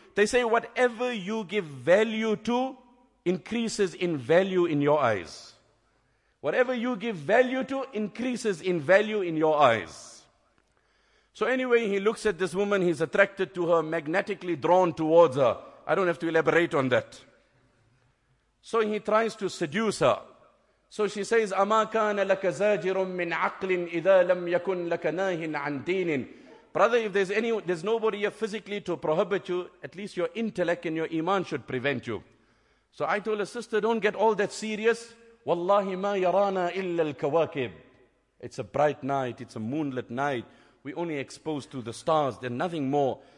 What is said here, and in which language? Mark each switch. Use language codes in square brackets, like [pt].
[en] They say whatever you give value to increases in value in your eyes. Whatever you give value to increases in value in your eyes. So anyway, he looks at this woman. He's attracted to her, magnetically drawn towards her. I don't have to elaborate on that. So he tries to seduce her. So she says, [ar] أَمَا كَانَ لَكَ زَاجِرٌ مِّنْ عَقْلٍ إِذَا لَمْ يَكُنْ لَكَ نَاهٍ عَنْ دِينٍ. [en] Brother, if there's any, there's nobody here physically to prohibit you, at least your intellect and your iman should prevent you. So I told her, sister, don't get all that serious. [ar] وَاللَّهِ مَا يَرَانَا إِلَّا الْكَوَاكِبِ. [en] It's a bright night, it's a moonlit night. We're only exposed to the stars, then nothing more.